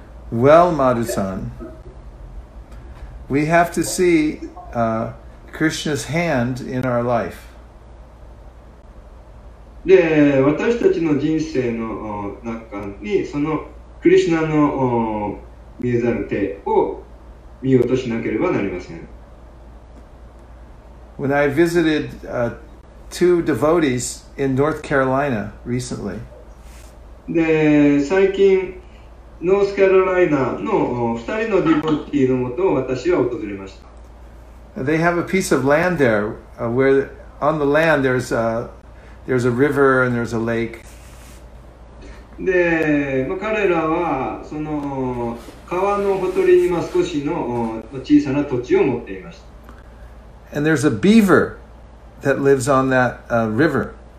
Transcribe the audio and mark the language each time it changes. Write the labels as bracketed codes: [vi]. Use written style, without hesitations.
[en] Well, Madu-san We have to see Krishna's hand in our life. [ja] で、私たちの人生の中にそのクリシュナの見えざる手を見落としなければなりません。 [en] When I visited two devotees in North Carolina recently. [ja] で、最近ノースカロライナの2人のディボティのもとを私は訪れました。 [en] They have a piece of land there, where on the land there's a river and there's a lake. [ja] で、まあ、彼らはその川のほとりに少しの小さな土地を持っていました。 [en] And there's a beaver that lives on that river.